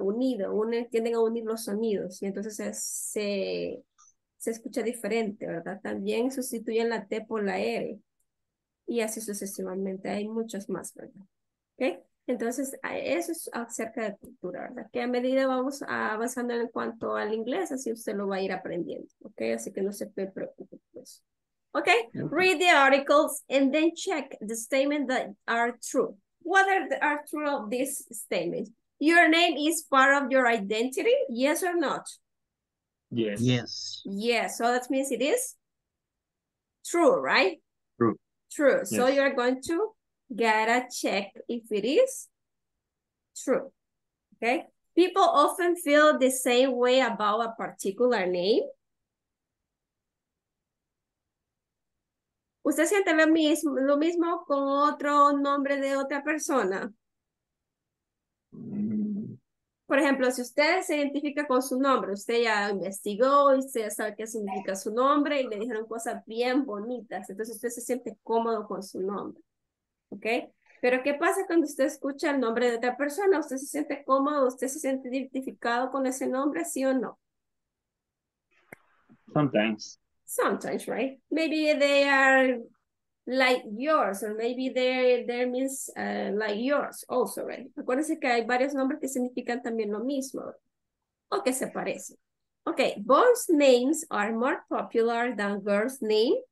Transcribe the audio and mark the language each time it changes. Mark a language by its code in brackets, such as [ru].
[es] Unido, tienden a unir los sonidos y entonces se escucha diferente, ¿verdad? También sustituyen la T por la L. Y así sucesivamente. Hay muchos más, ¿verdad? ¿Ok? Entonces, eso es acerca de cultura, ¿verdad? Que a medida vamos avanzando en cuanto al inglés, así usted lo va a ir aprendiendo, ¿ok? Así que no se preocupe por eso. ¿Ok? [en] Read the articles and then check the statements that are true. What are true of these statements? Your name is part of your identity? Yes or not? Yes. Yes. So that means it is true, right? True. Yes. So you're going to gotta check if it is true. Okay. People often feel the same way about a particular name. [es] ¿Usted siente lo mismo con otro nombre de otra persona? Por ejemplo, si usted se identifica con su nombre, usted ya investigó y usted ya sabe qué significa su nombre y le dijeron cosas bien bonitas, entonces usted se siente cómodo con su nombre, ¿ok? Pero ¿qué pasa cuando usted escucha el nombre de otra persona? ¿Usted se siente cómodo? ¿Usted se siente identificado con ese nombre, sí o no? [en] Sometimes. Sometimes, right? Maybe they are like yours, or maybe their means like yours also, right? [es] Acuérdense que hay varios nombres que significan también lo mismo, o que se parecen. [en] Okay, boys' names are more popular than girls' name.